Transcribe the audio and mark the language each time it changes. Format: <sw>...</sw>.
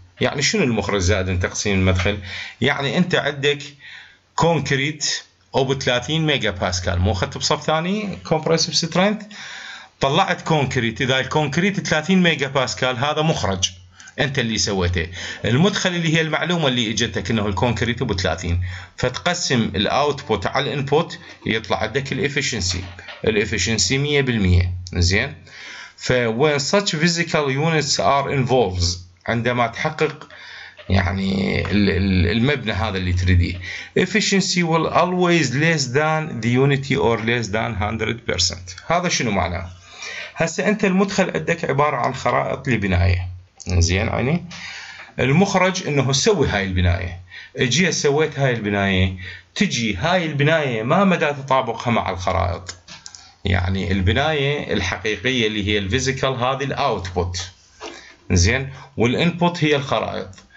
<ar>يعني شنو المخرج زائد تقسيم المدخل؟ يعني انت عندك كونكريت او ب 30 ميجا باسكال، مو اخذت بصف ثاني كومبرسيف سترينث، طلعت كونكريت، اذا الكونكريت 30 ميجا باسكال هذا مخرج انت اللي سويته، المدخل اللي هي المعلومه اللي اجتك انه الكونكريت ب 30، فتقسم الاوتبوت على الانبوت يطلع عندك الافشنسي، الافشنسي 100%.</ar> <en>زين، ف when such physical units are involved</en> <ar>عندما تحقق يعني المبنى هذا اللي تريديه.</ar> <en>Efficiency will always less than the unity or less than 100%.</en> <ar>هذا شنو معناه؟ هسه انت المدخل عندك عبارة عن خرائط لبناية، زين يعني المخرج انه تسوي هاي البناية، اجي سويت هاي البناية، تجي هاي البناية ما مدى تطابقها مع الخرائط؟ يعني البناية الحقيقية اللي هي الفيزيكال هذه الاوتبوت، زين، والانبوت هي الخرائط.</ar>